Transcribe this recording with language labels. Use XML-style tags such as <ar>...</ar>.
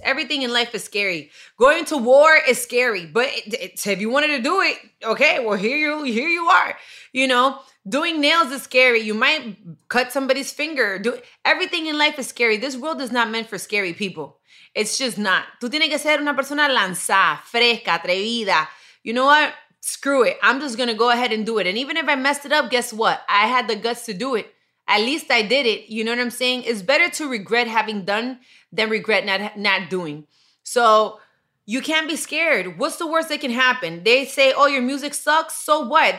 <en>Everything in life is scary. Going to war is scary. But if you wanted to do it, okay, well, here you are. You know, doing nails is scary. You might cut somebody's finger. Everything in life is scary. This world is not meant for scary people. It's just not.</en> <es>Tú tienes que ser una persona lanzada, fresca, atrevida.</es> <en>You know what? Screw it. I'm just going to go ahead and do it. And even if I messed it up, guess what? I had the guts to do it. At least I did it. You know what I'm saying? It's better to regret having done than regret not doing. So you can't be scared. What's the worst that can happen? They say, oh, your music sucks. So what?</en>